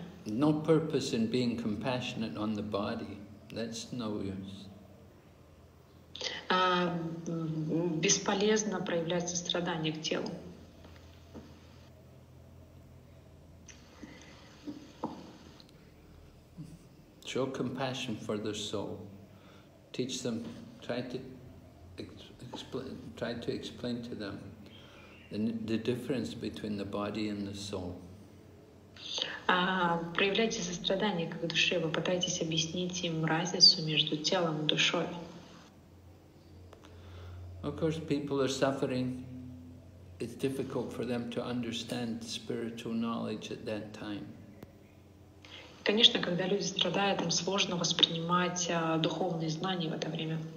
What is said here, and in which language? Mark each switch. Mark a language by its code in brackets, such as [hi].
[en] No purpose in being compassionate on the body. That's no use. [ru] Бесполезно проявлять сострадание к телу. [en] show compassion for their soul. Teach them, try to explain to them the difference between the body and the soul. [ru] Проявляйте сострадание к душе, вы пытаетесь объяснить им разницу между телом и душой. [en] Of course, people are suffering. It's difficult for them to understand spiritual knowledge at that time. [ru] Конечно, когда люди страдают, им сложно воспринимать духовные знания в это время.